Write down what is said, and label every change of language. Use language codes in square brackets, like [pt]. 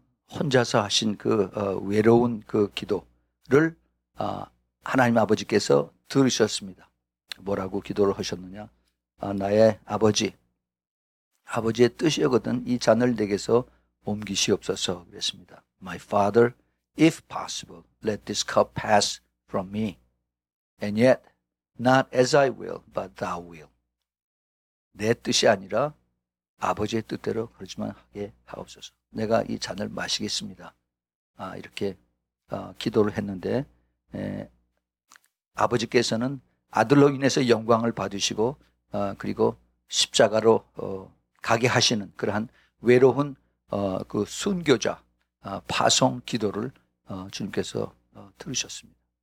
[ko] 혼자서 하신 그 외로운 그 기도를 하나님 아버지께서 들으셨습니다. 뭐라고 기도를 하셨느냐? 나의 아버지, 아버지의 뜻이거든 이 잔을 내게서 옮기시옵소서 그랬습니다. [en] My father, if possible, let this cup pass from me. And yet, not as I will, but thou will. [ko] 내 뜻이 아니라 아버지의 뜻대로 그러지만 하게 하옵소서. 내가 이 잔을 마시겠습니다. 이렇게 기도를 했는데, 아버지께서는 아들로 인해서 영광을 받으시고, 그리고 십자가로 가게 하시는 그러한 외로운 그 순교자 파송 기도를 주님께서 들으셨습니다.